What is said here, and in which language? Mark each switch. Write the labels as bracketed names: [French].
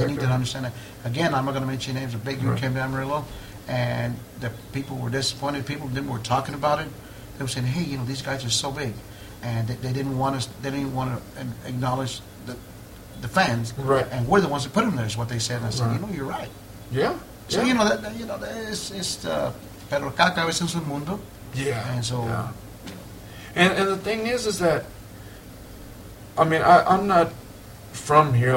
[English] they need right. to understand that. Again, I'm not going to mention names, but Big Dude came to Amarillo, and the people were disappointed. People then were talking about it. They were saying, hey, you know, these guys are so big. And they didn't want us, they didn't want to acknowledge the fans. Right. And we're the ones that put them there, is what they said. And I said, right. You know, you're right. Yeah. So, yeah. You know, [Spanish] pero cada cabeza en su mundo. [English] Yeah, and so, yeah. And the thing is that, I mean, I'm not from here.